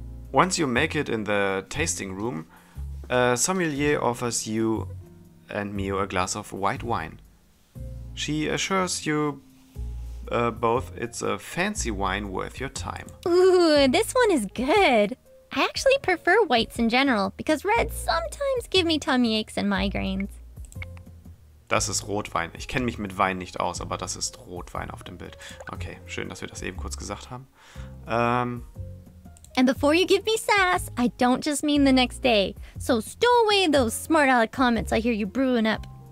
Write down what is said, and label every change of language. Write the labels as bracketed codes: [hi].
[en] Once you make it in the tasting room, a sommelier offers you and Mio a glass of white wine. She assures you both, it's a fancy wine worth your time. Ooh, this one is good. I actually prefer whites in general, because reds sometimes give me tummy aches and migraines. [de] Das ist Rotwein. Ich kenne mich mit Wein nicht aus, aber das ist Rotwein auf dem Bild. Okay, schön, dass wir das eben kurz gesagt haben. [en] And before you give me sass, I don't just mean the next day. So stow away those smart aleck comments I hear you brewing up.